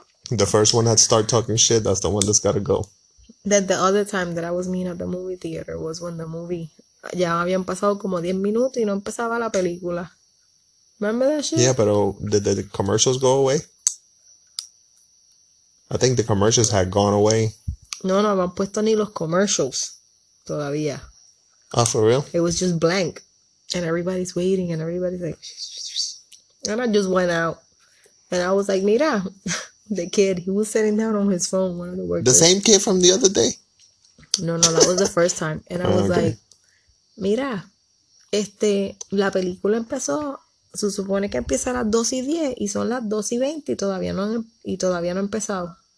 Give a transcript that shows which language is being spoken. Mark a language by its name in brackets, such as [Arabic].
[English] The first one that start talking shit, that's the one that's got to go. That the other time that I was mean at the movie theater was when the movie, [Spanish] ya habían pasado como 10 minutos y no empezaba la película. [English] Remember that shit? Yeah, but did the commercials go away? I think the commercials had gone away. [Spanish] No, no, habían puesto ni los commercials todavía. [English] Oh, for real? It was just blank. And everybody's waiting and everybody's like, and I just went out. And I was like, mira. The kid, he was sitting down on his phone, one of the workers. The same kid from the other day? No, that was the first time. And I was like, [Spanish] mira, la película empezó, se supone que empieza a las 2:10, y son las 2:20, y todavía no ha empezado.